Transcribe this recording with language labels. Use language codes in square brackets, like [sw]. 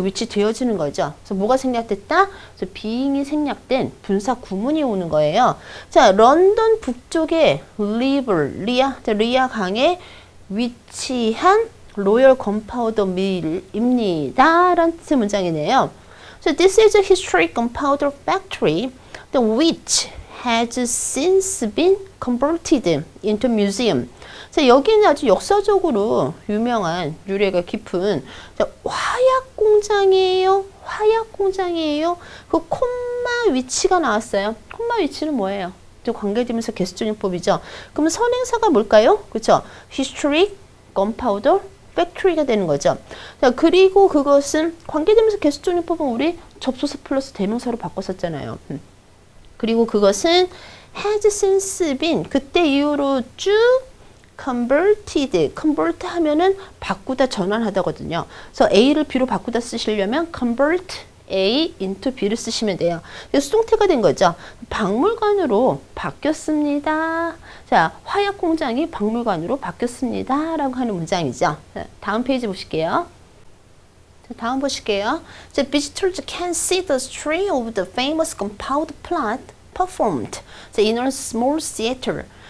[ko] 위치되어지는 거죠. 그래서 뭐가 생략됐다? 그래서 being이 생략된 분사 구문이 오는 거예요. 자, 런던 북쪽에 리아 강에 위치한 로열 건파우더 밀입니다. 라는 문장이네요. [en] So this is a historic gunpowder factory the which has since been converted into museum. [ko] 자, 여기는 아주 역사적으로 유명한 유래가 깊은 자, 화약 공장이에요. 그 콤마 위치가 나왔어요. 콤마 위치는 뭐예요? 또 관계되면서 계속적인 법이죠. 그럼 선행사가 뭘까요? 그렇죠. Historic Gunpowder Factory가 되는 거죠. 자, 그리고 그것은 관계되면서 계속적인 법은 우리 접속사 플러스 대명사로 바꿨었잖아요. 그리고 그것은 [en] has since been [ko] 그때 이후로 쭉 converted. convert 하면은 바꾸다 전환하다거든요. 그래서 A를 B로 바꾸다 쓰시려면 [en] convert A into B [ko] 를 쓰시면 돼요. 수동태가 된 거죠. 박물관으로 바뀌었습니다. 자, 화약 공장이 박물관으로 바뀌었습니다. 라고 하는 문장이죠. 자, 다음 페이지 보실게요. 자, 다음 보실게요. 자, [en] visitors can see the story of the famous gunpowder plot performed in a small theater.